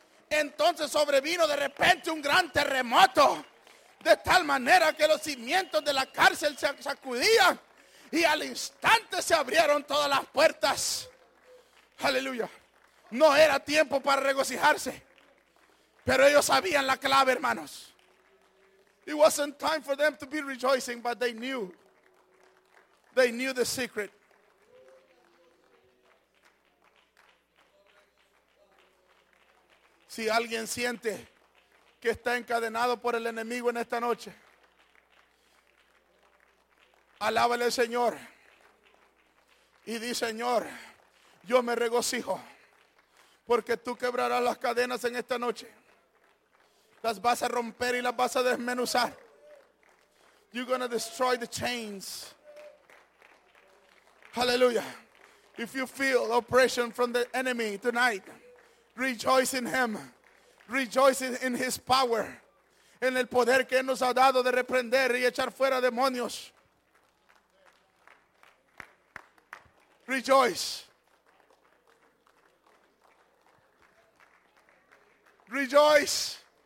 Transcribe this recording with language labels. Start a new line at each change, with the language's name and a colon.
Spanish: Entonces sobrevino de repente un gran terremoto, de tal manera que los cimientos de la cárcel se sacudían y al instante se abrieron todas las puertas. Aleluya. No era tiempo para regocijarse, pero ellos sabían la clave, hermanos.
English: It wasn't time for them to be rejoicing, but they knew. They knew the secret.
Spanish: Si alguien siente que está encadenado por el enemigo en esta noche, Alábale al Señor. Y di: Señor, yo me regocijo porque tú quebrarás las cadenas en esta noche. Las vas a romper y las vas a desmenuzar.
English: You're going to destroy the chains. Hallelujah. If you feel oppression from the enemy tonight, rejoice in him. Rejoice in his power.
Spanish: En el poder que nos ha dado de reprender y echar fuera demonios.
English: Rejoice. Rejoice.